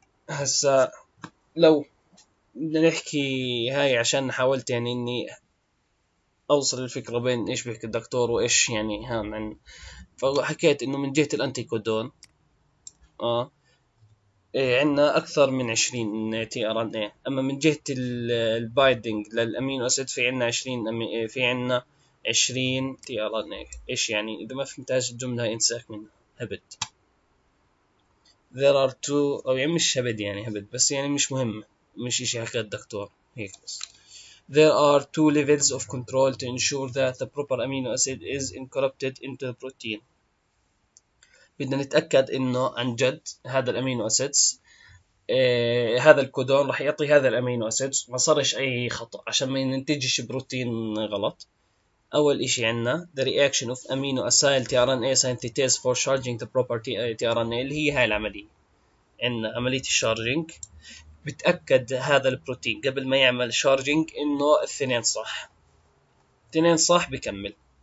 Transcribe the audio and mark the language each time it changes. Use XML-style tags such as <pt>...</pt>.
<ar>هسا لو بدنا نحكي هاي عشان حاولت يعني اني اوصل الفكرة بين ايش بيحكي الدكتور وايش يعني هام عن، فحكيت انه من جهة الانتيكودون عندنا اكثر من 20 تي ار ان اي، اما من جهة البايدنج للامينو اسيد في عندنا 20 في عندنا 20 تي ار ان اي. ايش يعني؟ اذا ما فهمتهاش الجملة انساك منها، هبت.</ar> <en>There are two</en> <ar>أو يعني مش هبد يعني هبد بس يعني مش مهم، مش إشي حكى الدكتور هيك بس.</ar> <en>There are two levels of control to ensure that the proper amino acid is incorporated into the protein.</en> <ar>بدنا نتأكد إنه عن جد هذا الأمينو أسيدز هذا الكودون راح يعطي هذا الأمينو أسيدز، ما صارش أي خطأ عشان ما ينتجش بروتين غلط. أول إشي عندنا</ar> <en>the reaction of amino acyl tRNA synthetase for charging the property tRNA،</en> <ar>اللي هي هاي العملية عندنا عملية الشارجينج، بتأكد هذا البروتين قبل ما يعمل شارجينج إنه الاثنين صح، الاثنين صح بكمل.</ar>